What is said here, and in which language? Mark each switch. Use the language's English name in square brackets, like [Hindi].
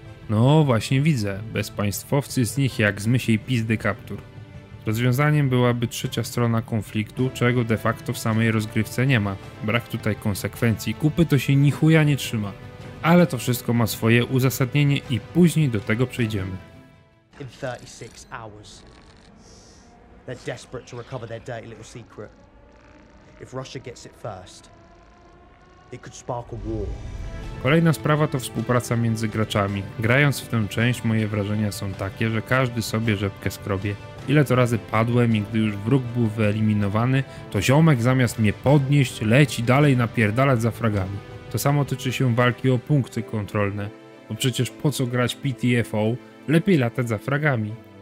[Polish] No właśnie widzę, bezpaństwowcy z nich jak z mysiej pizdy kaptur. Rozwiązaniem byłaby trzecia strona konfliktu, czego de facto w samej rozgrywce nie ma. Brak tutaj konsekwencji, kupy to się nichuja nie trzyma. Ale to wszystko ma swoje uzasadnienie i później do tego przejdziemy. [English] In 36 hours, they're desperate to recover their dirty little secret. If Russia gets it first, it could spark a war. [Polish] Kolejna sprawa to współpraca między graczami. Grając w tę część, moje wrażenia są takie, że każdy sobie rzepkę skrobie. Ile to razy padłem i gdy już wróg był wyeliminowany, to ziomek zamiast mnie podnieść, leci dalej napierdalać za fragami. To samo tyczy się walki o punkty kontrolne, bo przecież po co grać PTFO, lepiej latać za fragami.